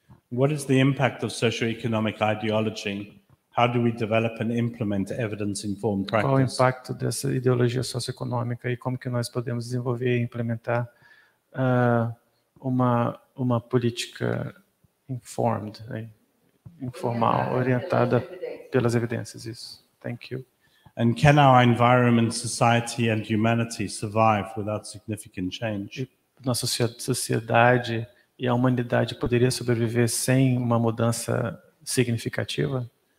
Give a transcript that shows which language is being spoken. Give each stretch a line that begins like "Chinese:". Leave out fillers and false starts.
English: What is the impact of socioeconomic ideology? How do we develop and implement evidence-informed practice?
Portuguese: Qual o impacto dessa ideologia socioeconômica e como que nós podemos desenvolver e implementar uma política informed, né? Informal, orientada pelas evidências, isso.
English: Thank you. And can our environment, society and humanity survive without significant change?
Portuguese: Nossa sociedade e a humanidade poderia sobreviver sem uma mudança significativa?